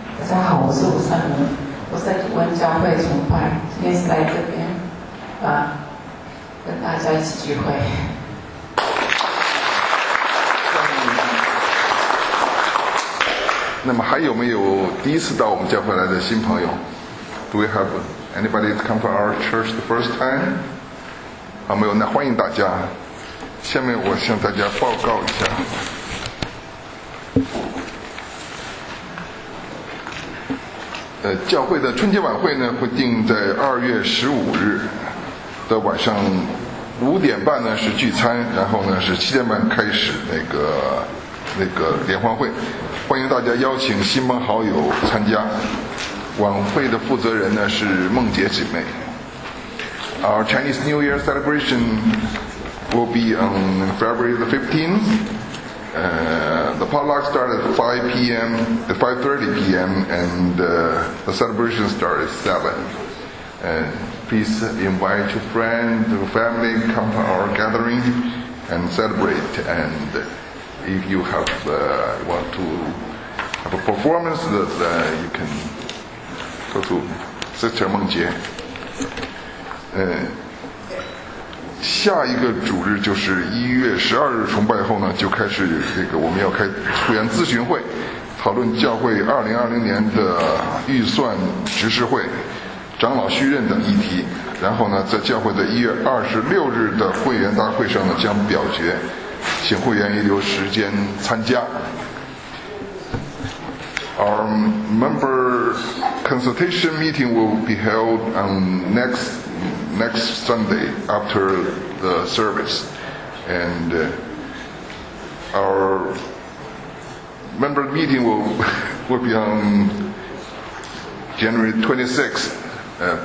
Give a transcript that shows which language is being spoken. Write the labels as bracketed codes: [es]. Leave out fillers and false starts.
[zh] 大家好，我是胡胜伦，我是在主观教会崇拜，今天是来这边跟大家一起聚会。那么还有没有第一次到我们教会来的新朋友？ [en] Do we have anybody come from our church the first time? [zh] 好，没有，那欢迎大家。下面我向大家报告一下，教会的春节晚会呢会定在2月15日的晚上5点半呢是聚餐，然后呢是7点半开始那个联欢会，欢迎大家邀请亲朋好友参加。晚会的负责人呢是孟杰姐妹。 [en] Our Chinese New Year celebration. Will be on February the 15th. The potluck starts at 5 p.m., at 5:30 p.m., and the celebration starts at 7. Please invite your friends, your family, come to our gathering and celebrate. And if you have, want to have a performance, you can go to Sister Meng Jie. [zh] 下一个主日就是1月12日崇拜后呢，就开始这个我们要开会员咨询会，讨论教会2020年的预算执事会、长老续任等议题。然后呢，在教会的1月26日的会员大会上呢，将表决，请会员预留时间参加。 [en] Our member consultation meeting will be held on next Sunday after the service, and our member meeting will be on January 26th.